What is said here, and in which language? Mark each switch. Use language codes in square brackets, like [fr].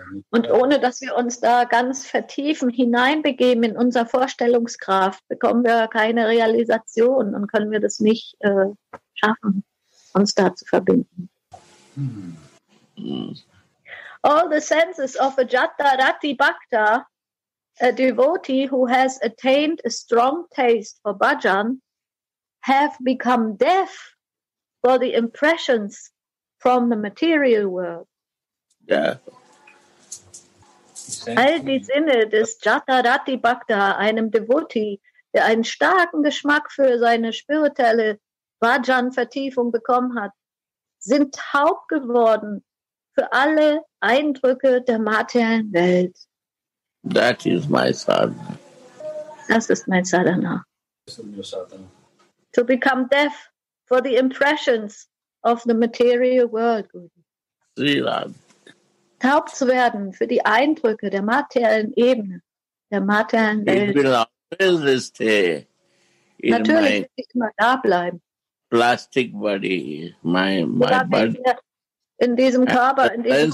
[de] Und ohne, dass wir uns da ganz vertiefen, hineinbegeben in unser Vorstellungskraft, bekommen wir keine Realisation und können wir das nicht schaffen, uns da zu verbinden. [en] All the senses of a Jatarati Bhakta, a devotee who has attained a strong taste for bhajan, have become deaf for the impressions from the material world. Yeah. [de] All die Sinne des Jatarati Bhakta, einem Devotee, der einen starken Geschmack für seine spirituelle Bhajan-Vertiefung bekommen hat, sind taub geworden für alle Eindrücke der materiellen Welt. [en] That is my sadhana. [de] Das ist mein Sadhana. [en] To become deaf for the impressions of the material world. [de] Taub zu werden für die Eindrücke der materiellen Ebene, der materiellen Welt. [en] It will always stay in [de] Natürlich wird ich immer da bleiben. [en] Plastic body, my body. [de] In diesem Körper, in diesem